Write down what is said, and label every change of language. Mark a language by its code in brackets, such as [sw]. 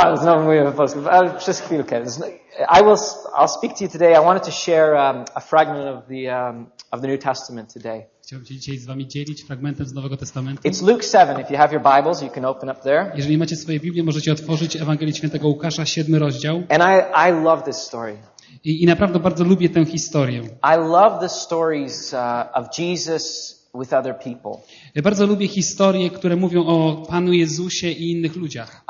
[pl] Znowu mówię po polsku, ale przez chwilkę. [en] I'll speak to you today. I wanted to share a fragment of the New Testament today. [pl] Chciałbym się dzisiaj z wami dzielić fragmentem z Nowego Testamentu. [en] It's Luke 7. If you have your Bibles, you can open up there. [pl] Jeżeli macie swoje Biblię, możecie otworzyć Ewangelię Świętego Łukasza, 7 rozdział. [en] And I love this story. [pl] I naprawdę bardzo lubię tę historię. [en] I love the stories of Jesus with other people. [pl] Ja bardzo lubię historie, które mówią o Panu Jezusie i innych ludziach.